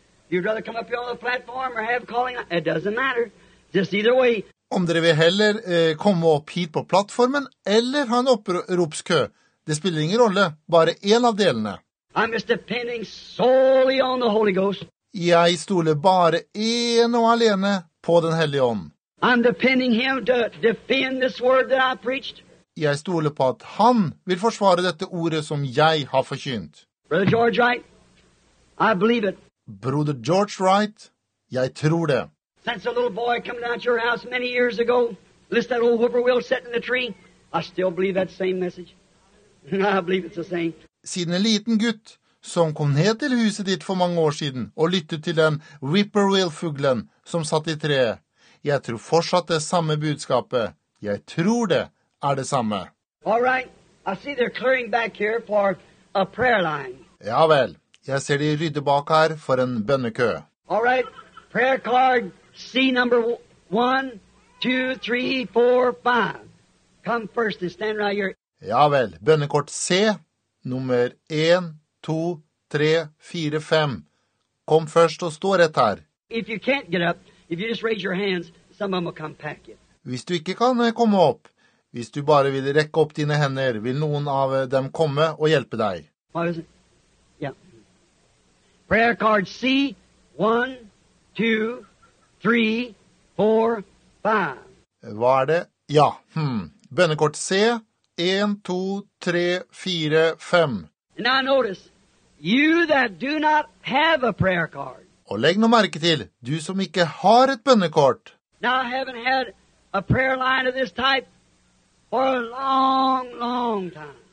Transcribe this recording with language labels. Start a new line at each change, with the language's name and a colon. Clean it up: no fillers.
English: You'd rather come up here on the platform or have calling line. It doesn't matter. Just either way.
Norwegian: Om dere vil heller komme opp hit på plattformen eller ha en oppropskø, det spiller ingen rolle, bare en av delene.
English: I'm just depending solely on the Holy Ghost.
Norwegian: Jeg stoler bare en og alene på den hellige ånd.
English: I'm depending him to defend this word that I preached.
Norwegian: Jeg stoler på at han vil forsvare dette ordet som jeg har forkynt.
English: Brother George Wright, I believe it.
Norwegian: Broder George Wright, jeg tror det.
English: Since a little boy coming out your house many years ago, listen to that old whippoorwill sitting in the tree, I still believe that same message. I believe it's the same.
Norwegian: Siden en liten gutt som kom ned til huset ditt for mange år siden og lyttet til den whippoorwill-fuglen som satt I treet, jeg tror fortsatt det samme budskapet. Jeg tror det det samme.
English: All right, I see they're clearing back here for a prayer line.
Norwegian: Ja vel. Jeg ser de rydde bak her for en bønnekø.
English: All right, prayer card C number 1, 2, 3, 4, 5. Come first and stand right here.
Norwegian: Ja vel, bønnekort C, nummer 1, 2, 3, 4, 5. Kom først og stå rett her.
English: If you can't get up, if you just raise your hands, some of them will come pack you.
Norwegian: Hvis du ikke kan komme opp, hvis du bare vil rekke opp dine hender, vil noen av dem komme og hjelpe deg. Hva det?
English: Prayer card C, 1, 2, 3, 4, 5.
Norwegian: Hva det? Ja, bønnekort C, 1, 2, 3, 4, 5.
English: Now notice, you that do not have a prayer card.
Norwegian: Og legg noe merke til, du som ikke har et bønnekort.
English: Now I haven't had a prayer line of this type for a long, long time.